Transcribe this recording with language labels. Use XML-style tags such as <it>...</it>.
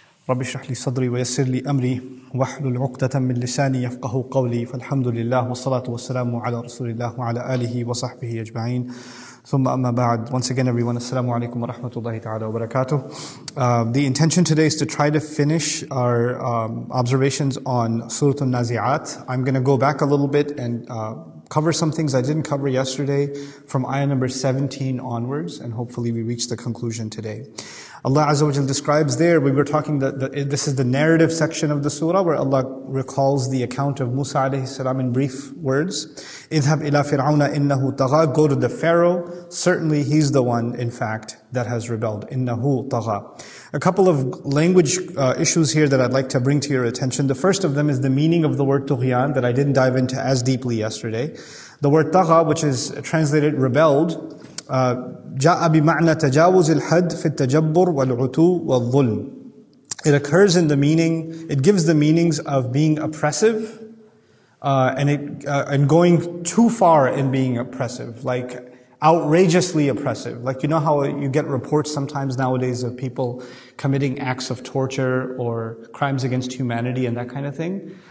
<ar>رب اشرح لي صدري ويسر لي امري واحلل عقدة من لساني يفقهوا قولي فالحمد لله والصلاة والسلام على رسول الله وعلى آله وصحبه اجمعين ثم اما بعد.</ar> <en>Once again everyone, assalamu alaikum wa rahmatullahi ta'ala wa barakatuh. The intention today is to try to finish our observations on Surah An-Nazi'at. I'm going to go back a little bit and cover some things I didn't cover yesterday from ayah number 17 onwards, and hopefully we reach the conclusion today. Allah Azza wa Jalla describes there, we were talking that this is the narrative section of the surah where Allah recalls the account of Musa alayhi salam in brief words.</en> <ar>اذهب إلى فرعون إنه طغى.</ar> <en>Go to the Pharaoh. Certainly he's the one, in fact, that has rebelled.</en> <ar>إنه طغى.</ar> <en>A couple of language issues here that I'd like to bring to your attention. The first of them is the meaning of the word tughyan that I didn't dive into as deeply yesterday. The word</en> <ar>طغى,</ar> <en>which is translated rebelled,</en> <ar>جاء بمعنى تجاوز الحد في التجبر والعتو والظلم.</ar> <en>It occurs in the meaning, it gives the meanings of being oppressive, and going too far in being oppressive, like outrageously oppressive. Like, you know how you get reports sometimes nowadays of people committing acts of torture or crimes against humanity and that kind of thing?</en>